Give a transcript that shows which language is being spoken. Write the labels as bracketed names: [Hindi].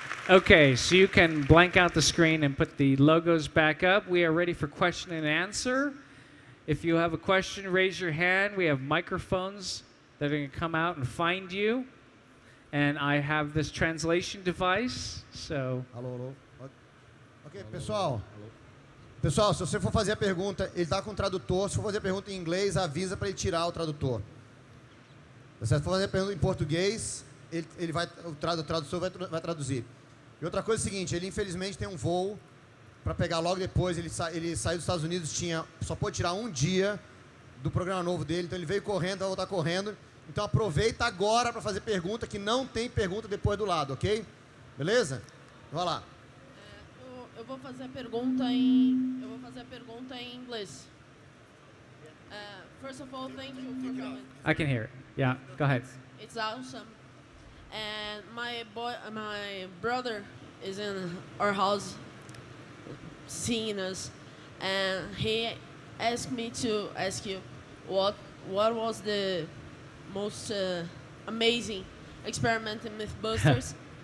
[English] Okay, so you can blank out the screen and put the logos back up. We are ready for question and answer. If you have a question, raise your hand. We have microphones that are going to come out and find you. And I have this translation device, so... [Portuguese] Alô, alô. Ok, alô, pessoal. Alô. Pessoal, se você for fazer a pergunta, ele está com o tradutor. Se for fazer a pergunta em inglês, avisa para ele tirar o tradutor. Você vai fazer a pergunta em português, ele vai, o tradutor vai traduzir. E outra coisa é o seguinte, ele infelizmente tem um voo para pegar logo depois, ele saiu dos Estados Unidos, só pôde tirar um dia do programa novo dele, então ele veio correndo, vai voltar correndo. Então aproveita agora para fazer pergunta, que não tem pergunta depois do lado, ok? Beleza? Vai lá. Eu vou fazer a pergunta em inglês. [English] First of all, thank you for coming. I can hear it. Yeah, go ahead. It's awesome. And my brother is in our house seen us, and he asked me to ask you what was the most amazing experiment in Mythbusters.